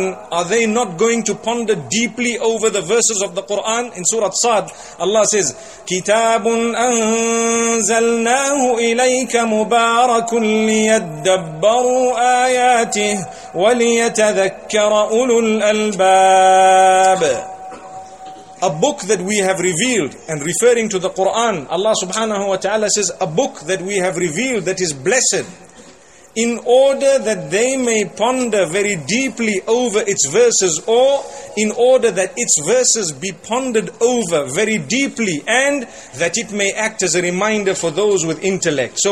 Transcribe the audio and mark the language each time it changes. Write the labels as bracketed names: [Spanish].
[English] Are they not going to ponder deeply over the verses of the Quran? In Surah Sa'd, Allah says, [Arabic] كِتَابٌ أَنزَلْنَاهُ إِلَيْكَ مُبَارَكٌ لِيَدَّبَّرُوا آيَاتِهِ وَلِيَتَذَكَّرَ أُولُو الْأَلْبَابِ. [English] A book that we have revealed, and referring to the Quran, Allah subhanahu wa ta'ala says, a book that we have revealed that is blessed, in order that they may ponder very deeply over its verses, or in order that its verses be pondered over very deeply, and that it may act as a reminder for those with intellect.